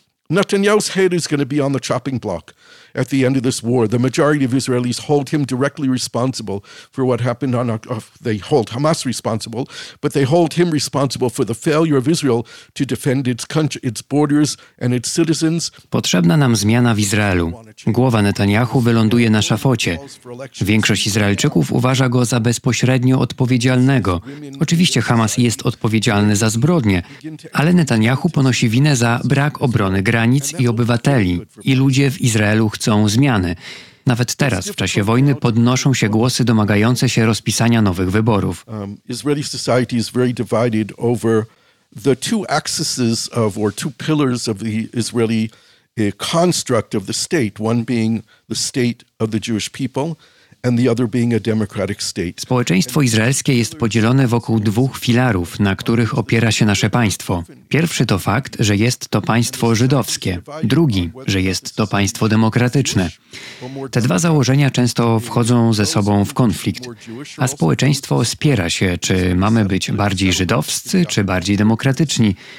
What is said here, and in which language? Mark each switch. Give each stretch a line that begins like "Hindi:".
English: Netanyahu's head is going to be on the chopping block at the end of this war. The majority of Israelis hold him directly responsible for what happened on they hold Hamas responsible, but they hold him responsible for the failure of Israel to defend its country, its borders and its citizens.
Polish: Potrzebna nam zmiana w Izraelu. Głowa Netanyahu wyląduje na szafocie. Większość Izraelczyków uważa go za bezpośrednio odpowiedzialnego. Oczywiście Hamas jest odpowiedzialny za zbrodnie, ale Netanyahu ponosi winę za brak obrony granic i obywateli, i ludzie w Izraelu chcą zmiany. Nawet teraz, w czasie wojny, podnoszą się głosy domagające się rozpisania nowych wyborów.
English: Israeli society is very divided over the two axes of, or two pillars of the Israeli construct of the state, one being the state of the Jewish people, and the other being a democratic state.
Polish: Społeczeństwo izraelskie jest podzielone wokół 2 filarów, na których opiera się nasze państwo. Pierwszy to fakt, że jest to państwo żydowskie. Drugi, że jest to państwo demokratyczne. Te 2 założenia często wchodzą ze sobą w konflikt, a społeczeństwo spiera się, czy mamy być bardziej żydowscy, czy bardziej demokratyczni.